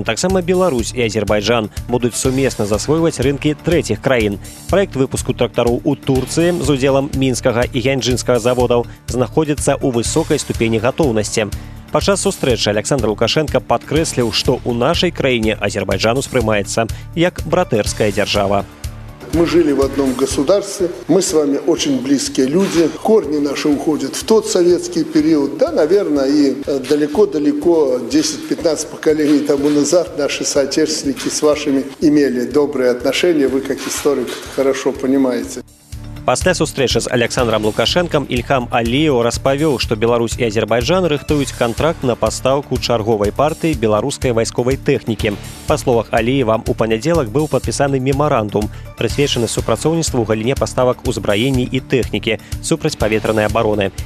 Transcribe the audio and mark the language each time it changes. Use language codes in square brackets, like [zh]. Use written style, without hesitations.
[be] Таксама Беларусь і Азербайджан будуць сумесна засвойваць рынкі трэціх краін. Праект выпуску трактароў у Турцыі з удзелам мінскага і гянджынскага заводаў знаходзіцца ў высокай ступені гатоўнасці. Падчас сустрэчы Аляксандр Лукашэнка падкрэсліў, што ў нашай краіне Азербайджан успрымаецца як братэрская дзяржава. [ru] Мы жили в одном государстве, мы с вами очень близкие люди. Корни наши уходят в тот советский период, да, наверное, и далеко-далеко, 10-15 поколений тому назад наши соотечественники с вашими имели добрые отношения, вы как историк хорошо понимаете. [be] Пасля сустрэчы з Аляксандрам Лукашэнкам Ільхам Аліеў распавёў, што Беларусь і Азербайджан рыхтуюць кантракт на пастаўку чарговай партыі беларускай вайсковай тэхнікі. Па словах Аліева, у панядзелак быў падпісаны мемарандум, прысвечаны супрацоўніцтву ў галіне паставак узбраенні і тэхнікі супраць паветранай абароны.